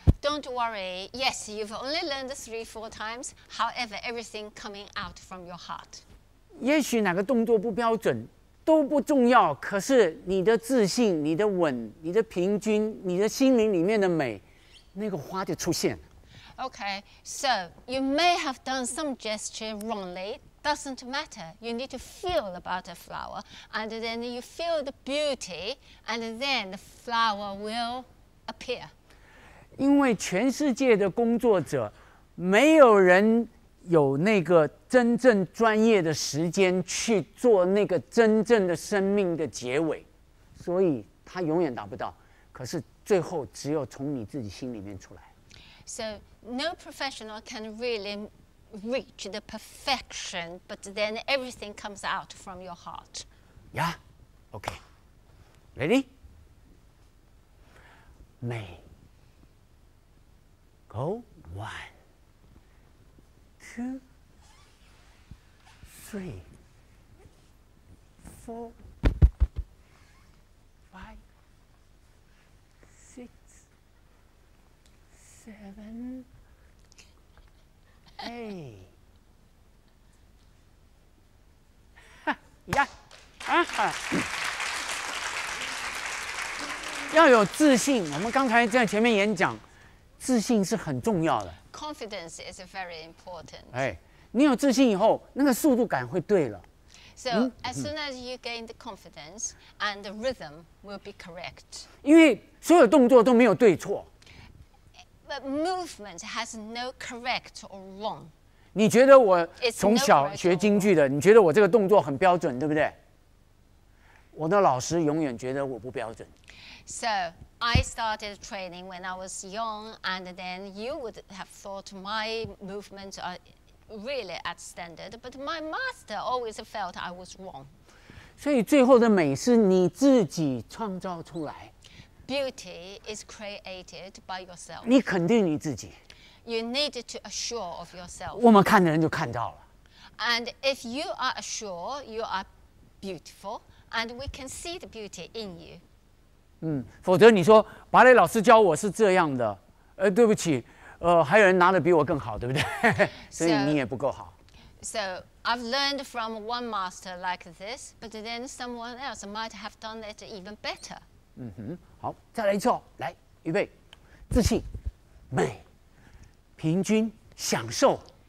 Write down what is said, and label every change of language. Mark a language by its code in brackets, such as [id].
[en] Don't worry. Yes, you've only learned three, four times. However, everything coming out from your heart. [zh] 也许哪个动作不标准都不重要，可是你的自信、你的稳、你的平均、你的心灵里面的美，那个花就出现了。Okay, [en] so you may have done some gesture wrongly. Doesn't matter. You need to feel the butterflower, and then you feel the beauty, and then the flower will appear. [zh] 因为全世界的工作者，没有人有那个真正专业的时间去做那个真正的生命的结尾，所以他永远达不到。可是最后只有从你自己心里面出来。 [en] So no professional can really reach the perfection, but then everything comes out from your heart. Yeah. Okay. Ready? May. Go. One. Two. Three. Four. Seven, eight, yeah, uh-huh. [zh] 要有自信。我们刚才在前面演讲，自信是很重要的。 [en] Confidence is very important. [zh] 哎，你有自信以后，那个速度感会对了。 [en] So as soon as you gain the confidence, and the rhythm will be correct. [zh] 因为所有动作都没有对错。 [en] But movement has no correct or wrong. [zh] 你觉得我从小学京剧的，你觉得我这个动作很标准，对不对？我的老师永远觉得我不标准。 [en] So I started training when I was young, and then you would have thought my movements are really at standard, but my master always felt I was wrong. [zh] 所以最后的美是你自己创造出来。 [en] Beauty is created by yourself. [zh] 你肯定你自己。 [en] You need to assure of yourself. [zh] 我们看的人就看到了。 [en] And if you are assured, you are beautiful, and we can see the beauty in you. [zh] 否则你说芭蕾老师教我是这样的，对不起，还有人拿得比我更好，对不对？所以你也不够好。 [en] So I've learned from one master like this, but then someone else might have done it even better. [zh] 好，再来一次哦，来，预备，自信，美，平均，享受